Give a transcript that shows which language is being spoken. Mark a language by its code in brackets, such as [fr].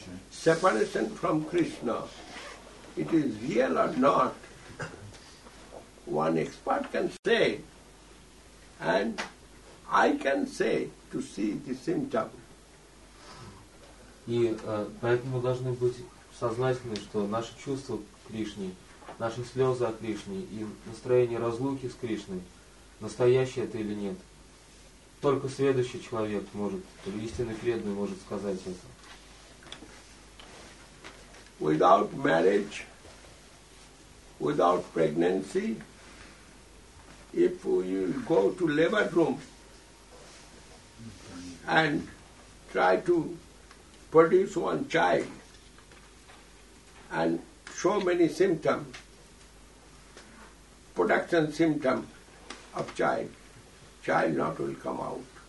[en] separation from Krishna. It is real or not, one expert can say, and I can say to see the symptom. [ru] И поэтому мы должны быть сознательны, что наши чувства к Кришне, наши слезы о Кришне и настроение разлуки с Кришной, настоящее это или нет, только следующий человек может, или истинный преданный может сказать это. [en] Without marriage, without pregnancy, if you go to labor room and try to produce one child and show many symptoms, production symptom of child not will come out.